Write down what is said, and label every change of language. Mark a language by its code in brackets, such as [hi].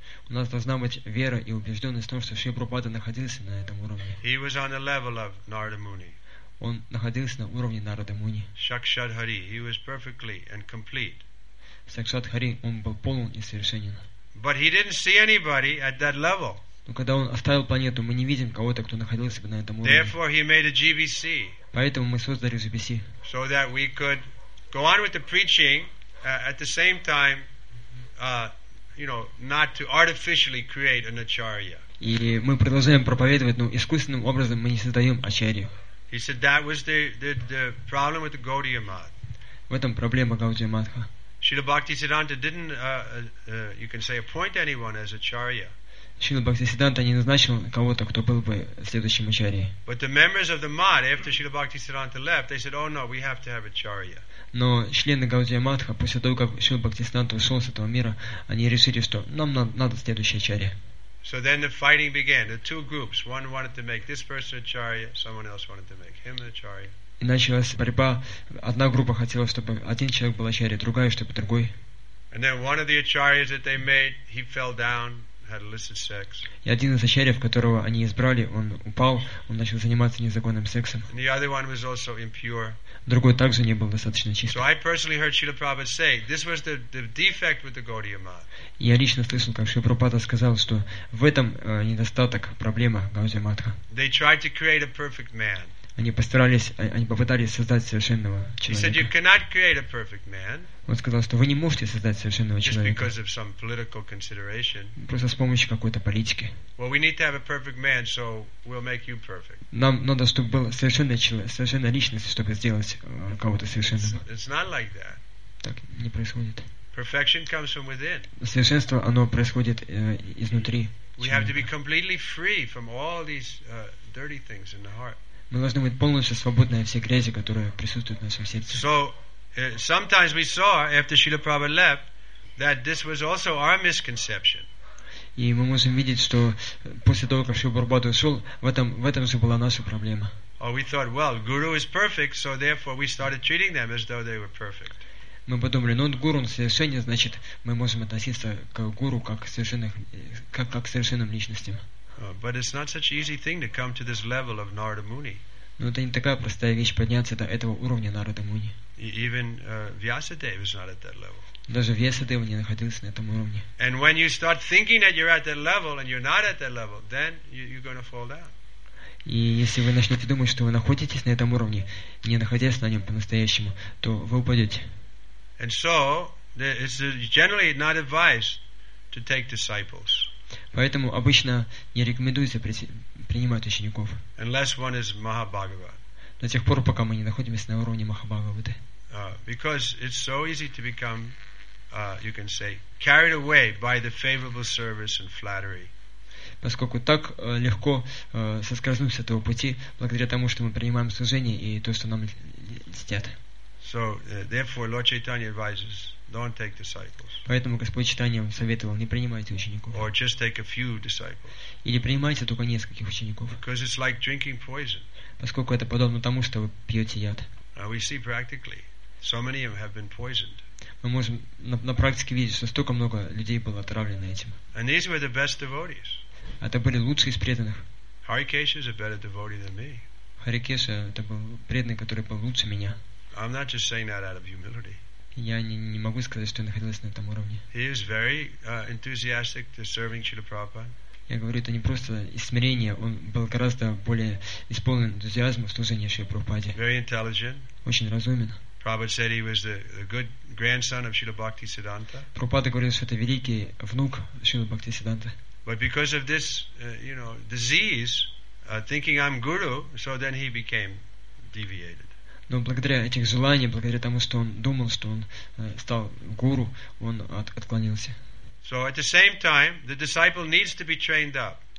[ru] У нас должна быть вера и убежденность в том, что Шри Прабхупада находился на этом уровне. [en] He was on the level of Narada Muni. [ru] Он находился на уровне Нарада Муни. [en] Шакшад Хари, he was perfectly and complete. [ru] Сакшат Хари, он был полон и совершенен. [en] But he didn't see anybody at that level. [ru] Но когда он оставил планету, мы не видим кого-то, кто находился бы на этом уровне. [en] Therefore, he made a GBC. [ru] Поэтому мы создали GBC. [en] So that we could go on with the preaching at the same time, not to artificially create an acharya. [ru] И мы продолжаем проповедовать, но искусственным образом мы не создаем ачарью. [en] He said that was the problem with the Gaudiya Math. [ru] В этом проблема Гаудия Матха. [en] Srila Bhaktisiddhanta didn't, you can say, appoint anyone as acharya. [ru] Шрила Бхактисиддханта не назначил кого-то, кто был бы следующим ачарьей. [en] But the members of the Math, after Srila Bhaktisiddhanta left, they said, "Oh no, we have to have acharya." [ru] Но члены Гаудия Матха после того, как Шрила Бхактисиддханта ушел с этого мира, они решили, что нам надо следующий ачарья. [en] So then the fighting began. The two groups: one wanted to make this person acharya, someone else wanted to make him acharya. [ru] И началась борьба. Одна группа хотела, чтобы один человек был ачарьей, другая, чтобы другой. [en] And then one of the acharyas that they made, he fell down. Had illicit sex. [ru] И один из ачарьев, которого они избрали, он упал, он начал заниматься незаконным сексом. [en] And the other one was also impure. [ru] Другой также не был достаточно чист. [en] So I personally heard Srila Prabhupada say, this was the defect with the Gaudiya Math. [ru] Я лично слышал, как Шрила Прабхупада сказал, что в этом недостаток, проблема Гаудия Матха. [en] They tried to create a perfect man. [ru] Они попытались создать совершенного человека. [en] He said, you cannot create a perfect man. [ru] Он сказал, что вы не можете создать совершенного человека. [en] Just because of some political consideration. [ru] Просто с помощью какой-то политики. [en] Well, we need to have a perfect man, so we'll make you perfect. [ru] Нам надо, чтобы был совершенный человек, совершенная личность, чтобы сделать кого-то совершенным. [en] It's not like that. [ru] Так не происходит. [en] Perfection comes from within. [ru] Совершенство, оно происходит изнутри. [en] We have to be completely free from all these dirty things in the heart. [ru] Мы должны быть полностью свободны от всей грязи, которая присутствует в нашем сердце. [en] So, sometimes we saw after Srila Prabhupada left that this was also our misconception. [ru] И мы можем видеть, что после того, как Шрила Прабхупада ушел, в этом же была наша проблема. [en] Or we thought, well, Guru is perfect, so therefore we started treating them as though they were perfect. [ru] Мы подумали, ну, Гуру он совершенен, значит, мы можем относиться к Гуру как к совершенным личностям. [en] But it's not such an easy thing to come to this level of Narada Muni. [ru] Но это не такая простая вещь подняться до этого уровня Нарада Муни. [en] Even Vyasadeva is not at that level. [ru] Даже Вьясадева не находился на этом уровне. [en] And when you start thinking that you're at that level and you're not at that level, then you're going to fall down. [ru] И если вы начнете думать, что вы находитесь на этом уровне, не находясь на нем по-настоящему, то вы упадете. [en] And so it's generally not advised to take disciples. [ru] Поэтому обычно не рекомендуется принимать учеников. [en] Unless one is Mahabhagava. [ru] До тех пор, пока мы не находимся на уровне Махабхагаваты. [en] Because it's so easy to become, you can say, carried away by the favorable service and flattery. [ru] Поскольку так легко соскользнуть с этого пути, благодаря тому, что мы принимаем служение и то, что нам льстят. [en] So, therefore, Lord Chaitanya advises, don't take disciples. [ru] Поэтому Господь Читания советовал, не принимайте учеников. [en] Or just take a few disciples. [ru] Или принимайте только нескольких учеников. [en] Because it's like drinking poison. [ru] Поскольку это подобно тому, что вы пьете яд. [en] We see practically, so many of them have been poisoned. [ru] Мы можем на практике видеть, что столько много людей было отравлено этим. [en] And these were the best devotees. [ru] Это были лучшие из преданных. [en] Харикеша is a better devotee than me. [ru] Харикеша это был преданный, который был лучше меня. [en] I'm not just saying that out of humility. [ru] Я не могу сказать, что я находился на этом уровне. [en] He is very enthusiastic to serving Srila Prabhupada. [ru] Я говорю, это не просто из смирения, он был гораздо более исполнен энтузиазмом в служении Шри Прабхупаде. [en] Very intelligent. [ru] Очень разумен. [en] Prabhupada said he was the good grandson of Srila Bhaktisiddhanta. [ru] Прабхупада говорил, что это великий внук Шрилы Бхактисиддханты. [en] But because of this, you know, disease, thinking I'm guru, so then he became deviated. [ru] Но благодаря этих желаниям, благодаря тому, что он думал, что он стал гуру, он отклонился. [en] So at the same time, the disciple needs to be trained up.